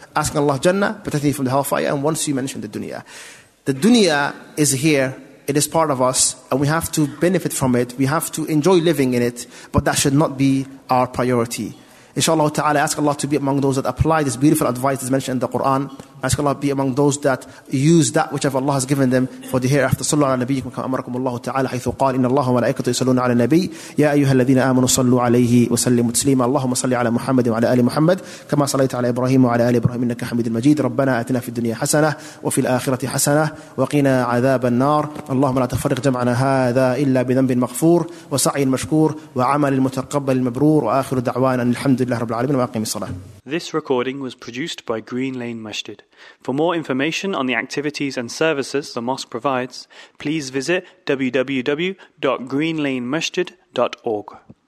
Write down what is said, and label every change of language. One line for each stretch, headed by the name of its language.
English: Asking Allah, Jannah, protect me from the hellfire. And once you mention the dunya. The dunya is here. It is part of us, and we have to benefit from it. We have to enjoy living in it, but that should not be our priority. Inshallah ta'ala, ask Allah to be among those that apply this beautiful advice that is mentioned in the Quran. Ask Allah to be among those that use that which Allah has given them for the hereafter.
Arabic: صلوا على نبيكم كما أمركم الله تعالى حيث قال إن الله وملائكته يصلون على النبي يا أيها الذين آمنوا صلوا عليه وسلموا تسليما. اللهم صل على محمد وعلى آل محمد كما صليت على إبراهيم وعلى آل إبراهيم إنك حميد مجيد. ربنا آتنا في الدنيا حسنة وفي الآخرة حسنة وقنا عذاب النار. اللهم لا تفرق جمعنا هذا إلا بذنب مغفور وسعي مشكور وعمل المتقبل المبرور وآخر دعوانا الحمد لله رب العالمين وأقيم الصلاة.
English: This recording was produced by Green Lane Masjid. For more information on the activities and services the mosque provides, please visit www.greenlanemasjid.org.